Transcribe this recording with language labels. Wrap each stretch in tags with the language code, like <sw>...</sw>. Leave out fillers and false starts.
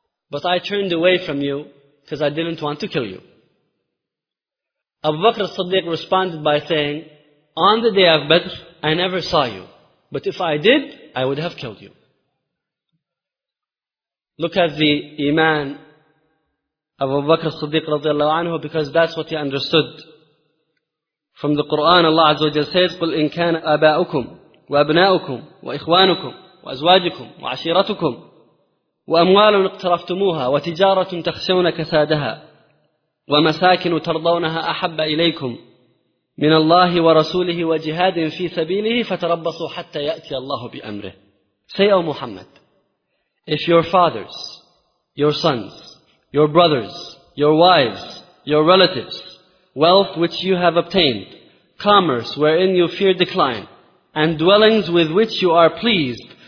<en>But I turned away from you because I didn't want to kill you. Abu Bakr as-Siddiq responded by saying, on the day of Badr, I never saw you. But if I did, I would have killed you. Look at the iman of Abu Bakr as-Siddiq radiallahu anhu, because that's what he understood. From the Qur'an, Allah Azza wa Jalla says,</en> <ar>قُلْ إِنْ كَانَ أَبَاءُكُمْ وَأَبْنَاءُكُمْ وَإِخْوَانُكُمْ وَأَزْوَاجُكُمْ وَعَشِيرَتُكُمْ وَأَمْوَالٌ اقْتَرَفْتُمُوهَا وَتِجَارَةٌ تَخْشَوْنَ كَسَادَهَا وَمَسَاكِنُ تَرْضَوْنَهَا أَحَبَّ إِلَيْكُمْ من الله ورسوله وجهاد في سبيله فتربصوا حتى يأتي الله بأمره.</ar> <en>Say, O Muhammad, if your fathers, your sons, your brothers, your wives, your relatives, wealth which you have obtained, commerce wherein you fear decline, and dwellings with which you are pleased,</en>